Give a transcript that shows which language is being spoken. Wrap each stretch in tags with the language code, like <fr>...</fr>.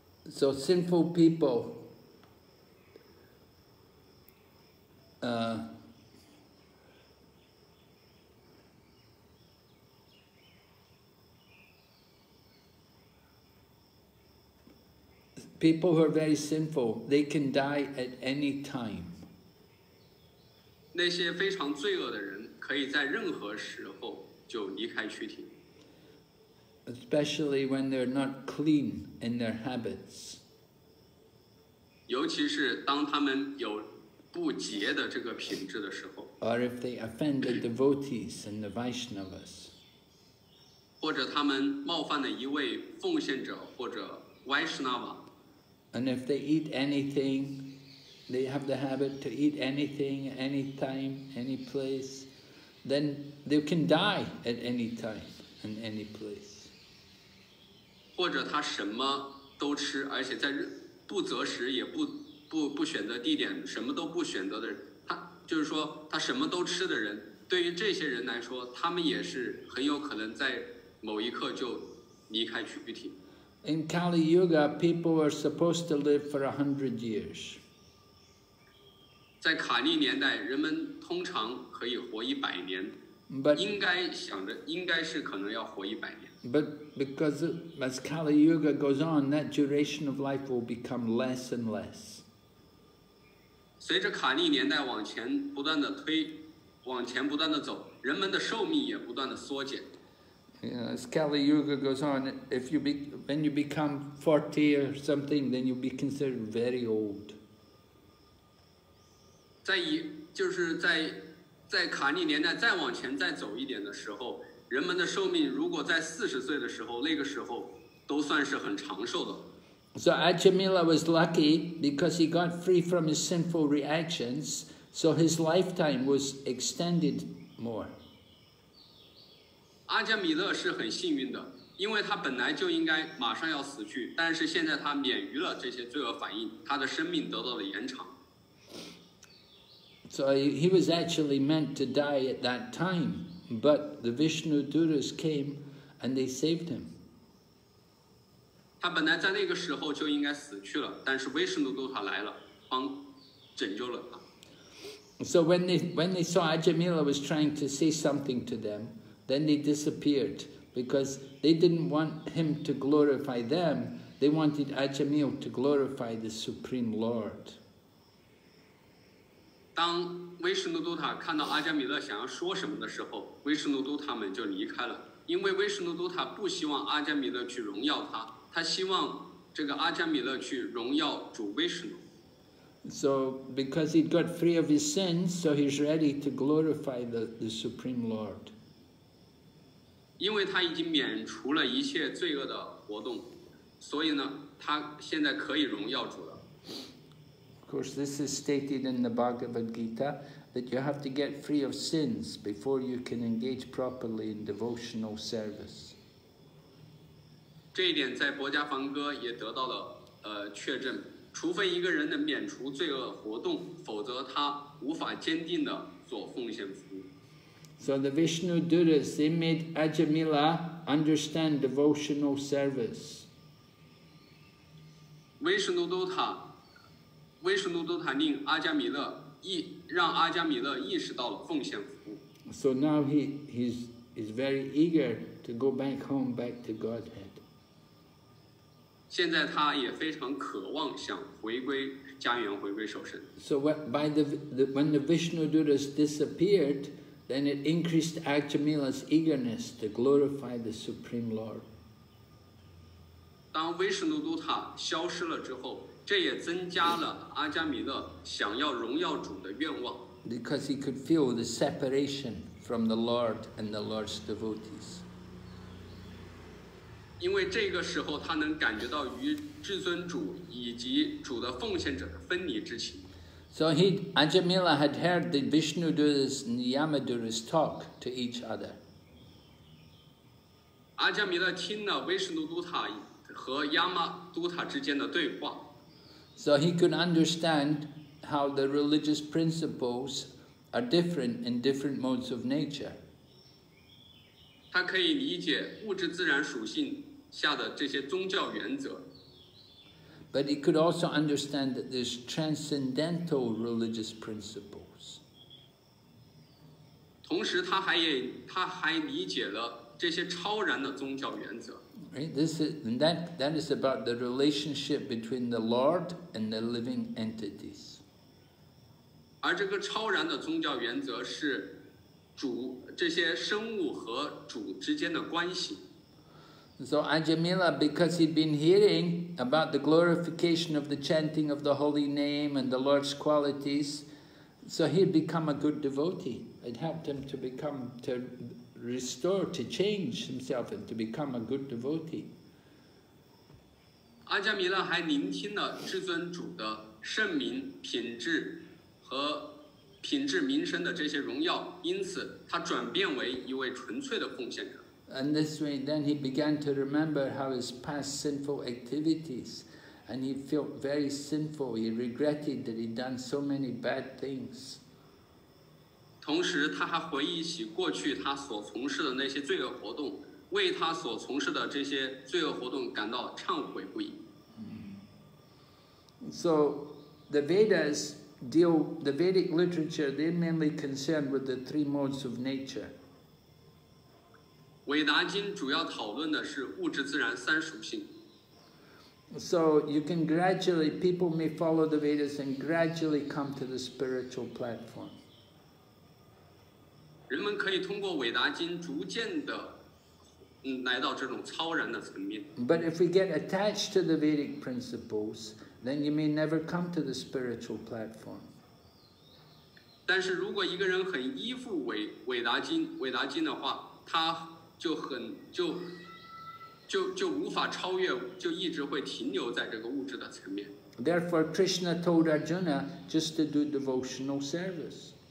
<en>So sinful people, people who are very sinful, they can die at any time.</en> <zh>那些非常罪恶的人可以在任何时候就离开躯体。</zh> <en>Especially when they're not clean in their habits.</en> <zh>尤其是当他们有不洁的这个品质的时候。</zh> <en>Or if they offend the devotees and the Vaishnavas.</en> <zh>或者他们冒犯了一位奉献者或者 Vaishnava.</zh> <en>And if they eat anything, they have the habit to eat anything, anytime, any place, then they can die at any time and any place.</en> <zh>或者他什么都吃，而且在不择食，也不选择地点，什么都不选择的人，他就是说他什么都吃的人，对于这些人来说，他们也是很有可能在某一刻就离开躯体。</zh> <en>In Kali Yuga, people were supposed to live for 100 years.</en> <zh>在卡利年代，人们通常可以活100年。</zh> <en>But,</en> <zh>应该想着应该是可能要活100年。</zh> <en>But because as Kali Yuga goes on, that duration of life will become less and less.</en> <zh>随着卡利年代往前不断的推，往前不断的走，人们的寿命也不断的缩减。</zh> <en>As Kali Yuga goes on, if you be, when you become 40 or something, then you'll be considered very old.</en> <zh>在一就是在。在卡利年代再往前再走一点的时候，人们的寿命如果在40岁的时候，那个时候都算是很长寿的。</zh> <en>So Ajamila was lucky because he got free from his sinful reactions, so his lifetime was extended more.</en> <zh>阿加米勒是很幸运的，因为他本来就应该马上要死去，但是现在他免于了这些罪恶反应，他的生命得到了延长。</zh> <en>So he was actually meant to die at that time, but the Vishnu Duras came and they saved him.</en> <zh>他本来在那个时候就应该死去了，但是 Vishnu Duta 来了，帮拯救了他。</zh> <en>So when they saw Ajamila was trying to say something to them, then they disappeared because they didn't want him to glorify them. They wanted Ajamila to glorify the Supreme Lord.</en> <zh>当维什努都塔看到阿加米勒想要说什么的时候，维什努都他们就离开了，因为维什努都塔不希望阿加米勒去荣耀他，他希望这个阿加米勒去荣耀主维什努。</zh> <en>So because he got free of his sins, so he's ready to glorify the Supreme Lord.</en> <zh>因为他已经免除了一切罪恶的活动，所以呢，他现在可以荣耀主了。</zh> <en>Of course, this is stated in the Bhagavad Gita that you have to get free of sins before you can engage properly in devotional service.</en> <zh>这一点在《博迦梵歌》也得到了确证。除非一个人能免除罪恶活动，否则他无法坚定的做奉献服务。</zh> <en>So the Vishnu Duras, they made Ajamila understand devotional service.</en> <zh>Vishnu Duta. 威士努都塔令阿加米勒意让阿加米勒意识到了奉献服务。</zh> <en>So now he's very eager to go back home back to Godhead.</en> <zh>现在他也非常渴望想回归家园，回归守身。</zh> <en>So when the Vishnu Duras disappeared, then it increased Arjamila's eagerness to glorify the Supreme Lord.</en> <zh>当维什努都塔消失了之后，这也增加了阿加米勒想要荣耀主的愿望。</zh> <en>Because he could feel the separation from the Lord and the Lord's devotees.</en> <zh>因为这个时候他能感觉到与至尊主以及主的奉献者的分离之情。</zh> <en>So he, Ajamila had heard the Vishnu Duras and Yama Duras talk to each other.</en> <zh>阿加米勒听了维什努都塔和亚玛都塔之间的对话。</zh> <en>So he could understand how the religious principles are different in different modes of nature.</en> <zh>他可以理解物质自然属性下的这些宗教原则。</zh> <en>But he could also understand that there's transcendental religious principles.</en> <zh>同时他还理解了这些超然的宗教原则。</zh> <en>Right, this is, and that is about the relationship between the Lord and the living entities.</en> <zh>而这个超然的宗教原则是主这些生物和主之间的关系。</zh> <en>So Ajamila, because he'd been hearing about the glorification of the chanting of the holy name and the Lord's qualities, so he'd become a good devotee. It helped him to become, to restore, to change himself and to become a good devotee.</en> <zh>Ajamila 还聆听了至尊主的圣名、品质和品质名声的这些荣耀，因此他转变为一位纯粹的奉献者。</zh> <en>And this way, then he began to remember how his past sinful activities, and he felt very sinful. He regretted that he'd done so many bad things.</en> <zh>同时，他还回忆起过去他所从事的那些罪恶活动，为他所从事的这些罪恶活动感到忏悔不已。</zh> <en>So, the Vedas deal the Vedic literature. They're mainly concerned with the three modes of nature.</en> <zh>韦达经主要讨论的是物质自然三属性。</zh> <en>So you can gradually, people may follow the Vedas and gradually come to the spiritual platform.</en> <zh>人们可以通过韦达经逐渐的来到这种超然的层面。</zh> <en>But if we get attached to the Vedic principles, then you may never come to the spiritual platform.</en> <zh>但是如果一个人很依附韦达经的话，他就无法超越，就一直会停留在这个物质的层面。</zh> <en>Therefore, Krishna told Arjuna just to do devotional service.</en>